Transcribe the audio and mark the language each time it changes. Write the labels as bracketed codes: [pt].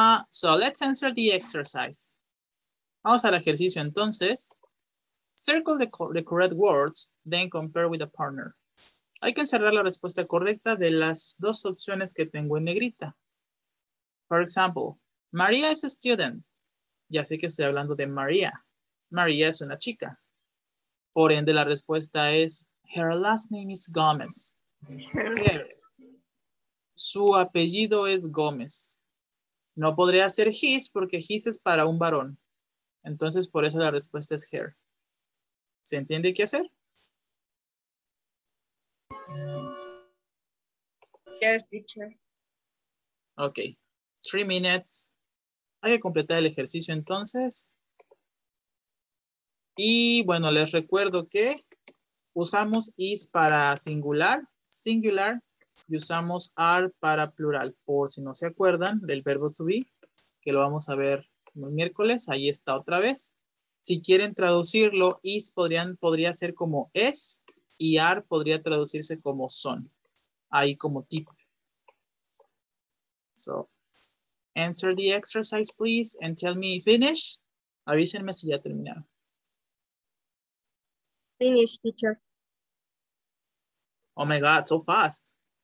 [en] So let's answer the exercise. [es] Vamos al ejercicio entonces. [en] Circle the correct words, then compare with a partner. [es] Hay que encerrar la respuesta correcta de las dos opciones que tengo en negrita. [en] For example, Maria is a student. [es] Ya sé que estoy hablando de Maria. Maria es una chica. Por ende, la respuesta es, [en] her last name is Gomez. [es] Su apellido es Gomez. No podría ser his, porque his es para un varón. Entonces, por eso la respuesta es her. ¿Se entiende qué hacer? [en] Yes, teacher. Ok. 3 minutes. [es] Hay que completar el ejercicio entonces. Y bueno, les recuerdo que usamos is para singular. Singular. Y usamos are para plural. Por si no se acuerdan del verbo to be. Que lo vamos a ver el miércoles. Ahí está otra vez. Si quieren traducirlo, is podría ser como es y are podría traducirse como son. Ahí como tipo. [en] So, answer the exercise, please, and tell me finish. [es] Avísenme si ya terminaron. [en] Finish, teacher. Oh my God, so fast.